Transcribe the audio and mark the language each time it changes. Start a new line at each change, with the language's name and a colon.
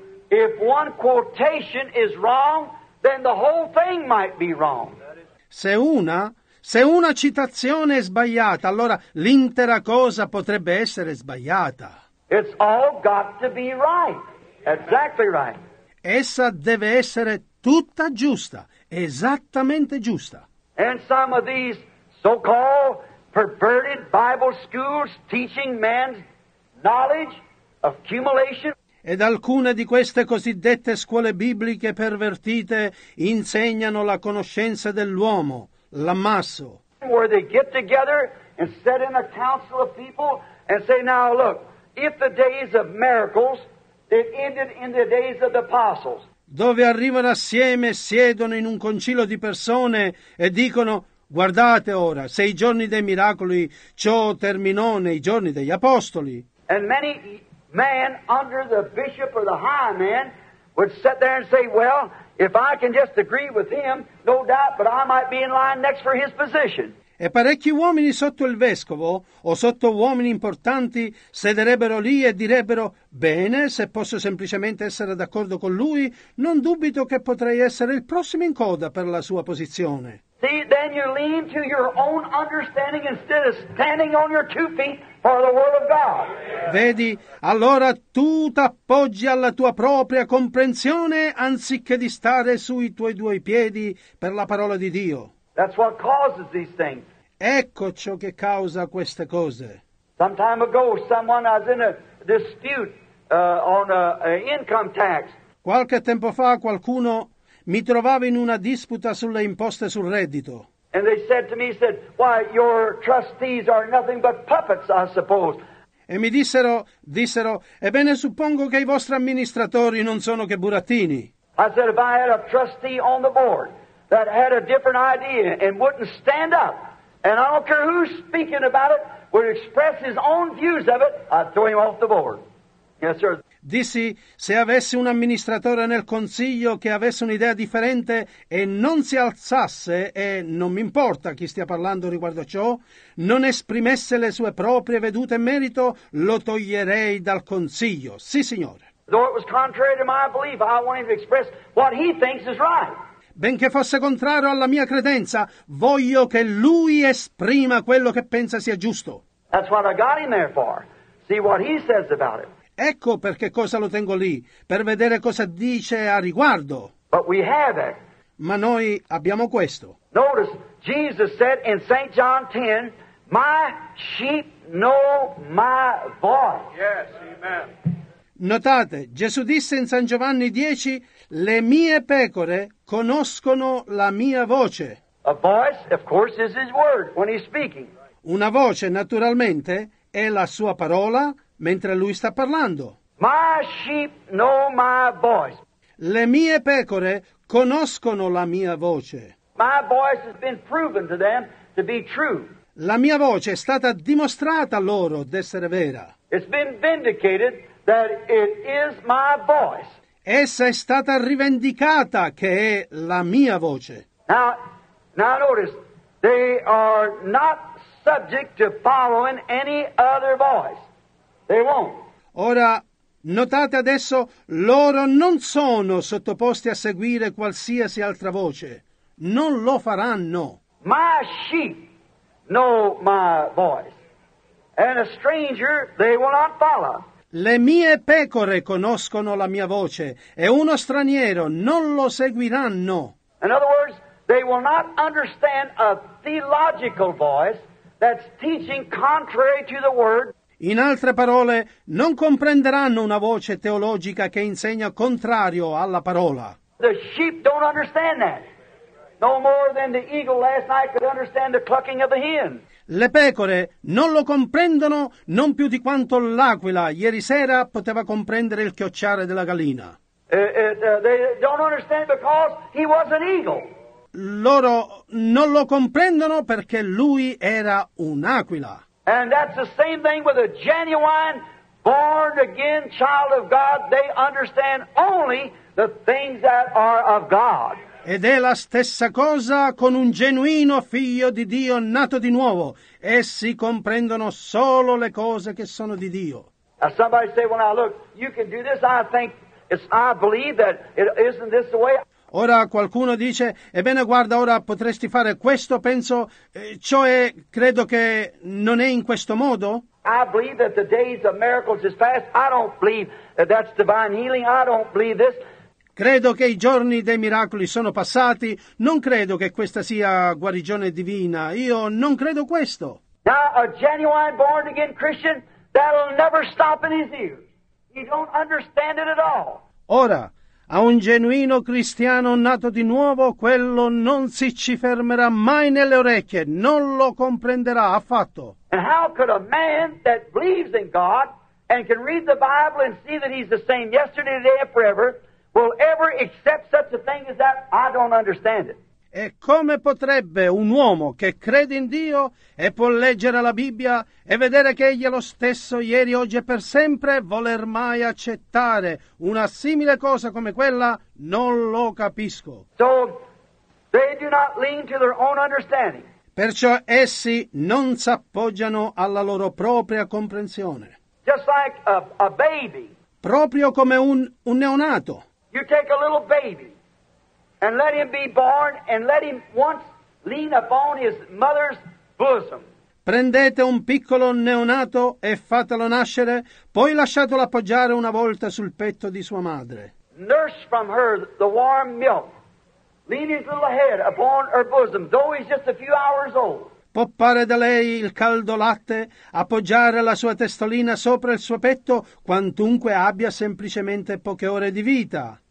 English: If one quotation is wrong, then the whole thing might be wrong.
Italian: Se una citazione è sbagliata, allora l'intera cosa potrebbe essere sbagliata.
English: It's all got to be right. Exactly right.
Italian: Essa deve essere tutta giusta, esattamente giusta.
English: And some of these so-called perverted Bible schools teaching man's knowledge of accumulation.
Italian: Ed alcune di queste cosiddette scuole bibliche pervertite insegnano la conoscenza dell'uomo, l'ammasso.
English: Where they get together and sit in a council of people and say, now look, if the days of miracles they've ended in the days of the apostles.
Italian: Dove arrivano assieme, siedono in un concilio di persone e dicono, guardate ora, se i giorni dei miracoli ciò terminò nei giorni degli apostoli.
English: And many men under the bishop or the high man would sit there and say, well, if I can just agree with him, no doubt, but I might be in line next for his position.
Italian: E parecchi uomini sotto il vescovo o sotto uomini importanti sederebbero lì e direbbero, bene, se posso semplicemente essere d'accordo con lui, non dubito che potrei essere il prossimo in coda per la sua posizione.
English: See, then you lean to your own understanding instead of standing on your two feet for the word of God.
Italian: Vedi, allora tu t'appoggi alla tua propria comprensione anziché di stare sui tuoi due piedi per la parola di Dio.
English: That's what causes these things.
Italian: Ecco ciò che causa queste cose.
English: Some time ago, someone was in a dispute on an income tax.
Italian: Qualche tempo fa, qualcuno mi trovavo in una disputa sulle imposte sul reddito.
English: And they said to me, said, why, your trustees are nothing but puppets, I suppose.
Italian: E mi dissero, ebbene suppongo che i vostri amministratori non sono che burattini.
English: I said, if I had a trustee on the board that had a different idea and wouldn't stand up, and I don't care who's speaking about it, would express his own views of it, I'd throw him off the board. Yes, sir.
Italian: Dissi, se avessi un amministratore nel consiglio che avesse un'idea differente e non si alzasse, e non mi importa chi stia parlando riguardo a ciò, non esprimesse le sue proprie vedute in merito, lo toglierei dal consiglio. Sì, signore.
English: Though it was contrary to my belief, I wanted to express what he thinks is right.
Italian: Benché fosse contrario alla mia credenza, voglio che lui esprima quello che pensa sia giusto.
English: That's what I got him there for. See what he says about it.
Italian: Ecco perché cosa lo tengo lì, per vedere cosa dice a riguardo.
English: But we have it.
Italian: Ma noi abbiamo questo.
English: Notice, Jesus said in St. John 10, my sheep know my voice. Yes, amen.
Italian: Notate, Gesù disse in San Giovanni 10, le mie pecore conoscono la mia voce.
English: A voice, of course, is his word when he's speaking.
Italian: Una voce, naturalmente, è la sua parola mentre lui sta parlando.
English: My sheep know my voice.
Italian: Le mie pecore conoscono la mia voce.
English: My voice has been proven to them to be true.
Italian: La mia voce è stata dimostrata loro d'essere vera.
English: It's been vindicated that it is my voice.
Italian: Essa è stata rivendicata che è la mia voce.
English: Now notice, they are not subject to following any other voice. They won't.
Italian: Ora, notate adesso, loro non sono sottoposti a seguire qualsiasi altra voce. Non lo faranno.
English: My sheep know my voice, and a stranger they will not follow.
Italian: Le mie pecore conoscono la mia voce, e uno straniero non lo seguiranno.
English: In other words, they will not understand a theological voice, that's teaching contrary to the word.
Italian: In altre parole, non comprenderanno una voce teologica che insegna contrario alla parola.
English: The sheep don't understand that. No more than the eagle last night could understand the clucking of the hen.
Italian: Le pecore non lo comprendono non più di quanto l'aquila ieri sera poteva comprendere il chiocciare della gallina.
English: They don't understand because he was an eagle.
Italian: Loro non lo comprendono perché lui era un'aquila.
English: And that's the same thing with a genuine born again child of God. They understand only the things that are of God.
Italian: Ed è la stessa cosa con un genuino figlio di Dio nato di nuovo. Essi comprendono solo le cose che sono di Dio.
English: Now somebody say, well, now look, you can do this. I believe that isn't this the way.
Italian: Ora qualcuno dice, ebbene guarda, ora potresti fare questo, penso, cioè credo che non è in questo modo.
English: I believe that the days of miracles is past. I don't believe that that's divine healing. I don't believe this.
Italian: Credo che i giorni dei miracoli sono passati, non credo che questa sia guarigione divina, io non credo questo.
English: Now a genuine born again Christian, that'll never stop in his ears. He don't understand it at all.
Italian: Ora, a un genuino cristiano nato di nuovo, quello non si ci fermerà mai nelle orecchie, non lo comprenderà affatto.
English: And how could a man that believes in God and can read the Bible and see that he's the same yesterday, today and forever will ever accept such a thing as that? I don't understand it.
Italian: E come potrebbe un uomo che crede in Dio e può leggere la Bibbia e vedere che egli è lo stesso ieri, oggi e per sempre voler mai accettare una simile cosa come quella? Non lo capisco.
English: So they do not lean to their own understanding.
Italian: Perciò essi non s'appoggiano alla loro propria comprensione.
English: Just like a baby.
Italian: Proprio come un neonato.
English: You take a little baby and let him be born and let him once lean upon his mother's bosom.
Italian: Prendete un piccolo neonato e fatelo nascere, poi lasciatelo appoggiare una volta sul petto di sua madre.
English: Nurse from her the warm milk. Lean his little head upon her bosom, though he's just a few hours old.
Italian: Poppare da lei il caldo latte, appoggiare la sua testolina sopra il suo petto, quantunque abbia semplicemente poche ore di vita.